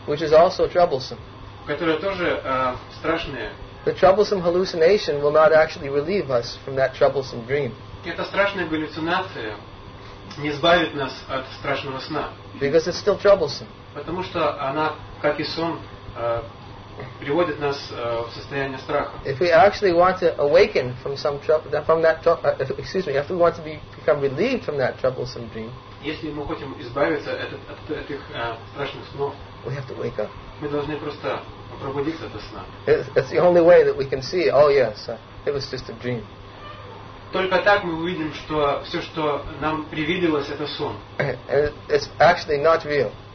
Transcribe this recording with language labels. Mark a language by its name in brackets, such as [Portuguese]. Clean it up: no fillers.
[English] which is also troublesome, [Russian] которая тоже страшная, [English] the troublesome hallucination will not actually relieve us from that troublesome dream. [Russian] Эта страшная галлюцинация не избавит нас от страшного сна. [English] Because it's still troublesome. [Russian] Потому что она, как и сон, приводит нас в состояние страха. [English] If we actually want to awaken from some if we want to become relieved from that troublesome dream, [Russian] если мы хотим избавиться от этих страшных снов, [English] we have to wake up. [Russian] Мы должны просто пробудиться от сна. [English] It's the only way that we can see, oh yes, it was just a dream. [Russian] Только так мы увидим, что все, что нам привиделось, это сон. [English] And it's actually not real.